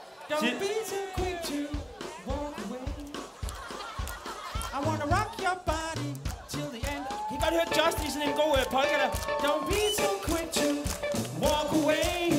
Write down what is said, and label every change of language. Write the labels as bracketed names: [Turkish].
[English] Don't be too quick to walk away. I wanna rock your body till the end. [Danish] Kan I godt høre Justin i sådan en god polka der? [English] Don't be too quick to walk away.